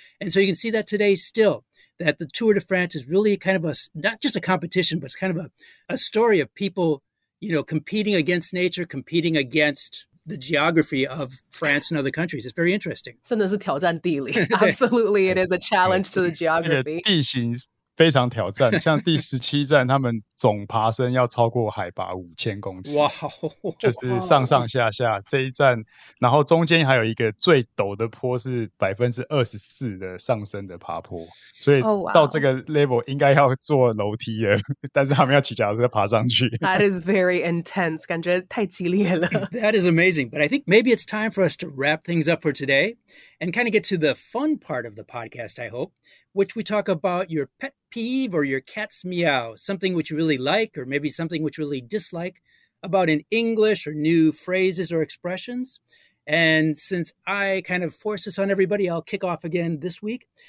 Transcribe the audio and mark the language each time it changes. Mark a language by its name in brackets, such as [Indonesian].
[English] And so you can see that today still, that the Tour de France is really kind of not just a competition, but it's kind of a story of people, you know, competing against nature, competing against the geography of France and other countries. It's very interesting. [Chinese] 真的是挑战地理。 [English] Absolutely, it is a challenge to the geography. [Chinese] 地形非常挑战，像第十七站他们总爬升要超过海拔5000公尺，哇，就是上上下下这一站，然后中间还有一个最陡的坡是24%的上升的爬坡，所以到这个 level 应该要坐楼梯了，但是他们要骑脚踏车爬上去。 [English] That is very intense, [Chinese] 感觉太激烈了。 [English] That is amazing, but I think maybe it's time for us to wrap things up for today and kind of get to the fun part of the podcast, I hope,which we talk about your pet peeve or your cat's meow, something which you really like or maybe something which you really dislike about in English or new phrases or expressions. And since I kind of force this on everybody, I'll kick off again this week.